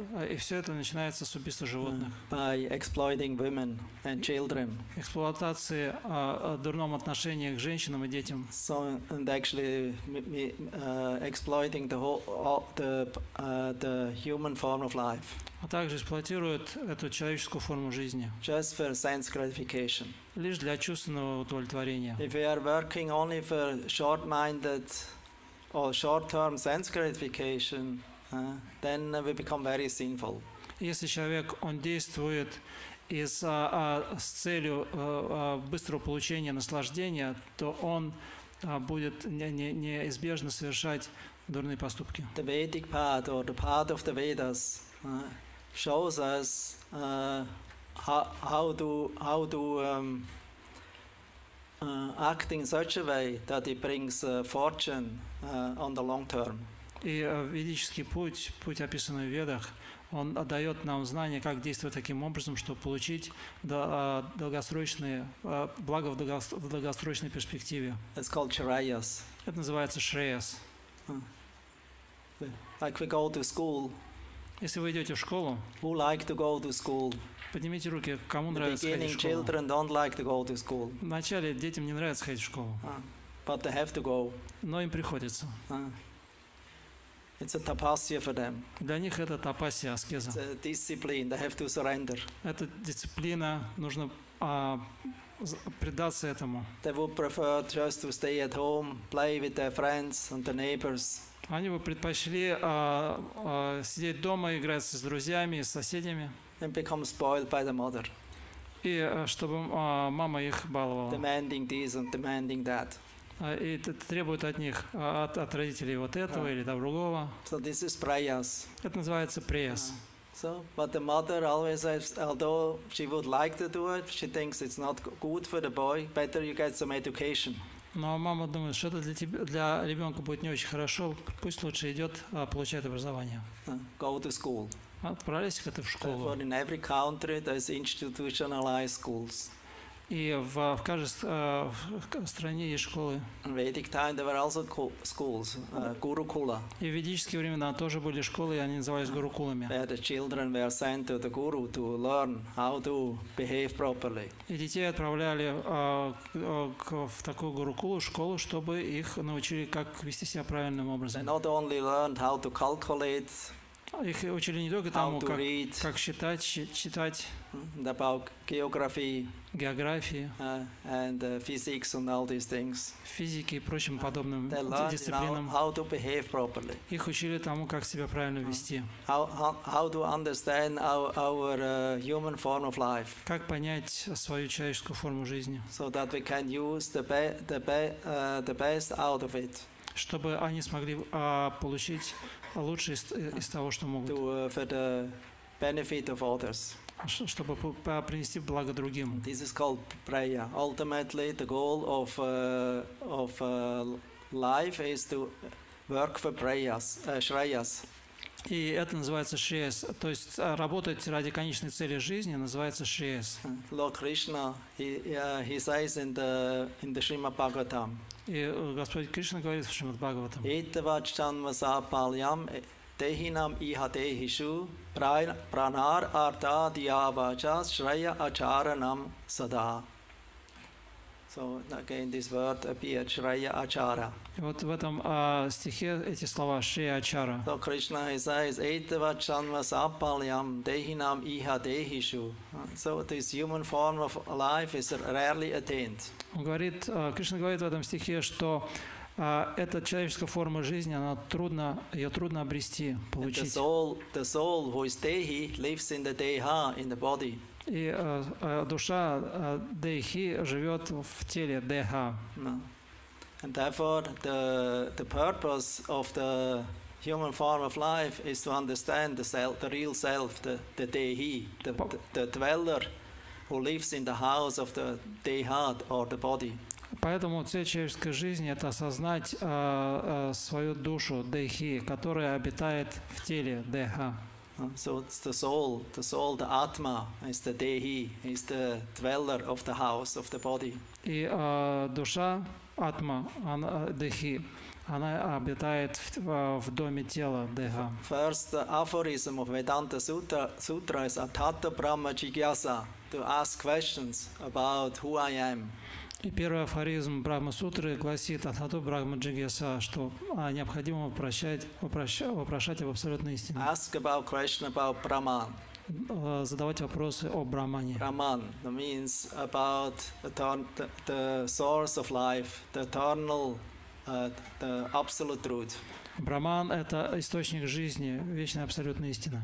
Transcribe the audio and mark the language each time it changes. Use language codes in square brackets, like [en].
[ru] И все это начинается с убийства животных. [en] By exploiting women and children. [ru] Эксплуатации дурном отношении к женщинам и детям. [en] So and actually exploiting the human form of life. [ru] А также эксплуатируют эту человеческую форму жизни. [en] Just for sense gratification. [ru] Лишь для чувственного удовлетворения. [en] If we are working only for short-minded or short-term sense gratification, then we become very sinful. [ru] Если человек, он действует с целью быстрого получения наслаждения, то он будет неизбежно совершать дурные поступки. [en] The Vedic path or the path of the Vedas shows us how to act in such a way that it brings fortune on the long term. [ru] И ведический путь, путь, описанный в Ведах, он дает нам знание, как действовать таким образом, чтобы получить долгосрочные благо в долгосрочной перспективе. [en] It's called Shreyas. [ru] Это называется Shreyas. [en] Like we go to school. [ru] Если вы идете в школу, [en] who like to go to school? [ru] Поднимите руки, кому нравится ходить в школу. [en] Children don't like to go to school. [ru] Вначале детям не нравится ходить в школу. [en] But they have to go. [ru] Но им приходится. [en] It's a tapasya for them. [ru] Для них это тапасия, аскеза. [en] It's a discipline. They have to surrender. [ru] Это дисциплина, нужно предаться этому. [en] They would prefer just to stay at home, play with their friends and their neighbors. [ru] Они бы предпочли сидеть дома, играть с друзьями, с соседями. [en] And become spoiled by the mother. [ru] И чтобы мама их баловала. [en] Demanding this and demanding that. [ru] И это требует от них, от родителей вот этого или того другого. [en] So this is prayas. [ru] Это называется prayas. [en] So, but the mother always says, although she would like to do it, she thinks it's not good for the boy. Better you get some education. [ru] Но мама думает, что это для тебя, для ребенка будет не очень хорошо. Пусть лучше идет, получает образование. [en] Go to school. [ru] Отправляйся в школу. [en] Therefore, in every country, there's institutionalized schools. [ru] И в каждой стране есть школы. [en] In Vedic time there were also schools, Gurukula. [ru] И в ведические времена тоже были школы, и они назывались Гурукулами. [en] Where the children were sent to the guru to learn how to behave properly. [ru] И детей отправляли в такую Гурукулу школу, чтобы их научили, как вести себя правильным образом. [en] They not only learned how to calculate. [ru] Их учили не только тому, как читать, [en] about geography, [ru] географии, [en] and physics and all these things. [ru] Физики и прочим подобным дисциплинам. [en] How to behave properly. [ru] Их учили тому, как себя правильно вести. [en] How to understand our human form of life. [ru] Как понять свою человеческую форму жизни. [en] So that we can use the best out of it. [ru] Чтобы они смогли получить лучшее из того, что могут. [en] For the benefit of others. [ru] Чтобы принести благо другим. [en] This is called prayer. Ultimately, the goal of life is to work for prayers, shreyas. [ru] И это называется шреяс. То есть работать ради конечной цели жизни называется шреяс. [en] Lord Krishna, he says in the Srimad Bhagavatam. [ru] И Господь Кришна говорит в Шримад Бхагаватам. [sa] Итвачанмасапалям техинам ихатехишу пранар арта диаваца шрея ачаранам сада. [en] So again, this word appears Shreya Achara. [ru] Вот в этом стихе эти слова Shreya Achara. [en] So Krishna says, [sa] "Etva chanvasapalyam dehinam iha dehishu." [en] So this human form of life is rarely attained. [ru] Он говорит, Кришна говорит в этом стихе, что эта человеческая форма жизни, она трудно, ее трудно обрести, получить. [en] The soul who is dehi lives in the deha in the body. [ru] И душа дехи живет в теле деха. [en] And therefore the purpose of the human form of life is to understand the self, the real self, the dehi, the dweller who lives in the house of the deha or the body. [ru] Поэтому цель человеческой жизни – это осознать свою душу дехи, которая обитает в теле деха. [en] So it's the soul, the atma is the dehi, is the dweller of the house of the body. [ru] И душа, атма, она дехи, она обитает в доме тела деха. [en] First aphorism of Vedanta Sutra is [sa] Atata Brahma Jigyasa, [en] to ask questions about who I am. [ru] И первый афоризм Брахма Сутры гласит [sa] «Атхату Брахма Джигьяса», [ru] что необходимо вопрошать об абсолютной истине. [en] Ask about question about Brahman. [ru] Задавать вопросы о Брахмане. [en] Brahman means about the source of life, the eternal, the absolute truth. [ru] Брахман – это источник жизни, вечная абсолютная истина.